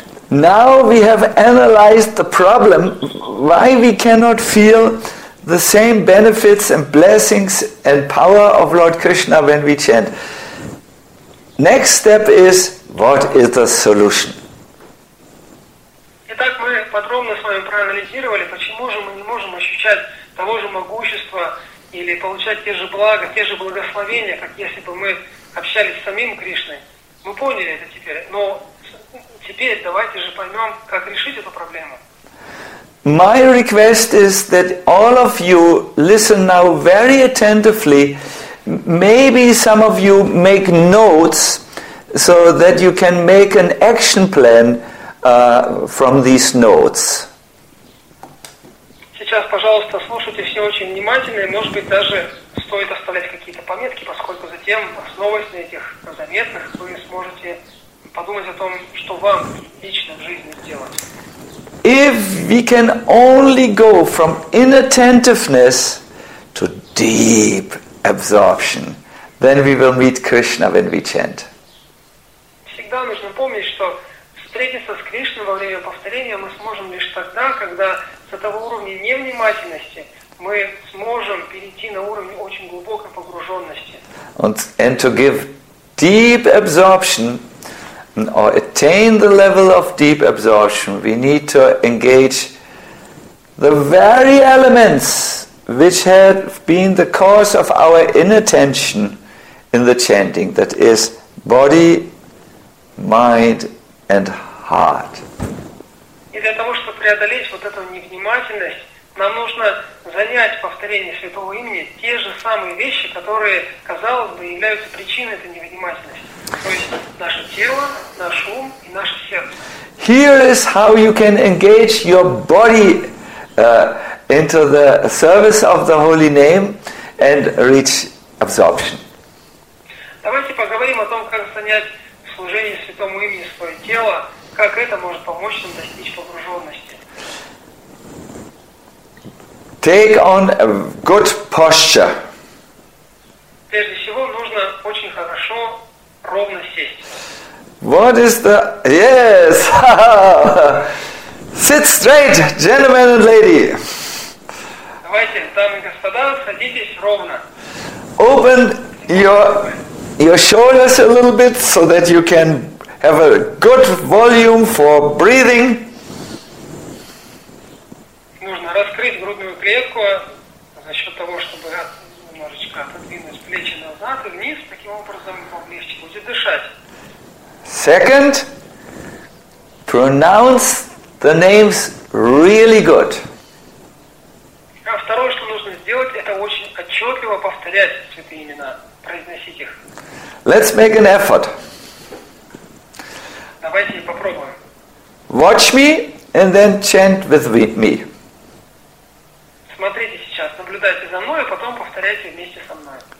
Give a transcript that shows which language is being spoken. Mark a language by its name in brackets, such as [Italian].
[English] Now we have analyzed the problem why we cannot feel the same benefits and blessings and power of Lord Krishna when we chant. Next step is, what is the solution? [Russian] Итак, мы подробно с вами проанализировали, почему же мы не можем ощущать того же могущества или получать те же блага, те же благословения, как если бы мы общались с самим Кришной. Мы поняли это теперь. Но теперь давайте же поймем, как решить эту проблему. [English] My request is that all of you listen now very attentively. Maybe some of you make notes so that you can make an action plan from these notes. [Russian] Сейчас, пожалуйста, слушайте все очень внимательно, и, может быть, даже стоит оставлять какие-то пометки, поскольку затем, основываясь на этих заметках, вы сможете подумать о том, что вам лично в жизни сделать. [English] If we can only go from inattentiveness to deep absorption, then we will meet Krishna when we chant. [Russian] Всегда нужно помнить, что встретиться с Кришной во время повторения мы сможем лишь тогда, когда с этого уровня невнимательности мы сможем перейти на уровень очень глубокой погруженности. [English] And to give deep absorption or attain the level of deep absorption, we need to engage the very elements which have been the cause of our inattention in the chanting, that is body, mind and heart. [Russian] И для того, чтобы преодолеть вот эту невнимательность, нам нужно занять повторение святого имени те же самые вещи, которые, казалось бы, являются причиной этой невнимательности. То есть наше тело, наш ум и наше сердце. [English] Here is how you can engage your body into the service of the holy name and reach absorption. [Russian] Давайте поговорим о том, как занять в служении святому имени свое тело, как это может помочь нам достичь погруженности. [English] Take on a good posture. [Russian] Прежде всего нужно очень хорошо, ровно сесть. [English] What is the... Yes! Sit straight, gentlemen and lady. [Russian] Давайте, дамы и господа, садитесь ровно. [English] Open your shoulders a little bit so that you can have a good volume for breathing. [Russian] Нужно раскрыть грудную клетку за счет того, чтобы немножечко отодвинуть плечи назад и вниз, таким образом вам легче будет дышать. [English] Second, pronounce the names really good. [Russian] А второе, что нужно сделать, это очень отчетливо повторять святые имена, произносить их. [English] Let's make an effort. [Russian] Давайте попробуем. [English] Watch me and then chant with me. [Russian] Смотрите сейчас, наблюдайте за мной, а потом повторяйте вместе со мной.